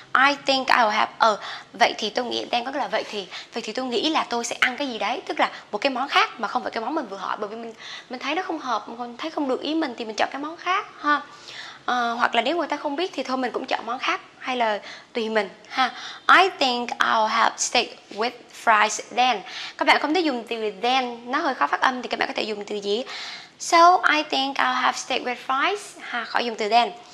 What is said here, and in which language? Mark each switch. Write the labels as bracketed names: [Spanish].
[English] I think I'll have a. [Vietnamese] Vậy thì tôi nghĩ đang có là vậy thì tôi nghĩ là tôi sẽ ăn cái gì đấy, tức là một cái món khác mà không phải cái món mình vừa hỏi, bởi vì mình thấy nó không hợp, mình thấy không được ý mình thì mình chọn cái món khác ha. Hoặc là nếu người ta không biết thì thôi mình cũng chọn món khác, hay là tùy mình ha. [English] I think I'll have steak with fries then. [Vietnamese] Các bạn không thể dùng từ then, nó hơi khó phát âm, thì các bạn có thể dùng từ gì? [English] So I think I'll have steak with fries ha, [Vietnamese] khỏi dùng từ then.